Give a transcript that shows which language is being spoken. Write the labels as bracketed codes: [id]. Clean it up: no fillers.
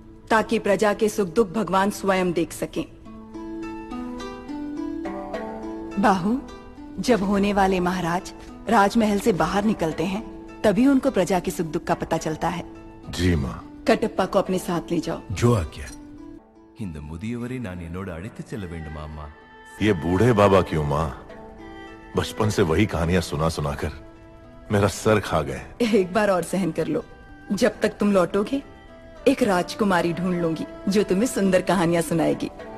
[hi] ताकि प्रजा के सुख दुख भगवान स्वयं देख सके। बाहु, जब होने वाले महाराज राजमहल से बाहर निकलते हैं तभी उनको प्रजा के सुख दुख का पता चलता है। जी माँ। कटप्पा को अपने साथ ले जाओ। जो आज्ञा। [ta] இந்த முதியவரை நான் என்னோட அழைத்து செல்ல வேண்டுமா அம்மா? [hi] ये बूढ़े बाबा क्यों माँ? बचपन से वही कहानियां सुना सुना कर मेरा सर खा गए। एक बार और सहन कर लो, जब तक तुम लौटोगे एक राजकुमारी ढूंढ लूंगी जो तुम्हें सुंदर कहानियां सुनाएगी।